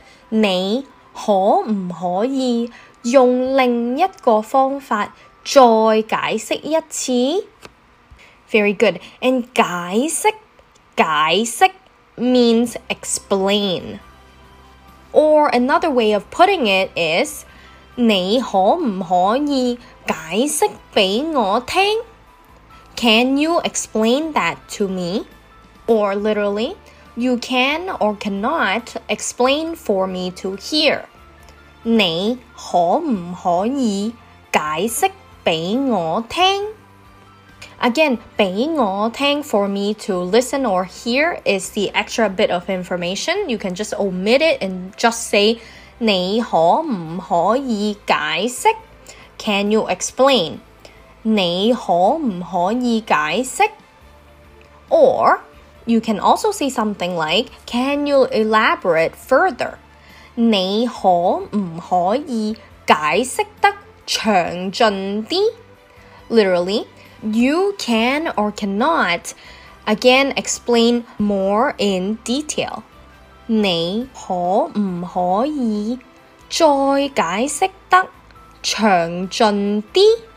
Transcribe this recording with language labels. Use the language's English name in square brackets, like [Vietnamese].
[Cantonese] 你可唔可以用另一个方法再解释一次？ [English] Very good. And 解释 means explain. Or another way of putting it is, [Cantonese] 你可唔可以解释俾我听？ [English] Can you explain that to me? Or literally, You can or cannot explain for me to hear. [Cantonese] 你可唔可以解释俾我听？ [English] Again, 俾我听 for me to listen or hear is the extra bit of information. You can just omit it and just say, [Cantonese] 你可唔可以解释？ [English] Can you explain? [Cantonese] 你可唔可以解释？ [English] Or you can also say something like, Can you elaborate further? [Cantonese] 你可唔可以解释得详尽啲？ [English] Literally, you can or cannot, again, explain more in detail. [Cantonese] 你可唔可以再解释得详尽啲？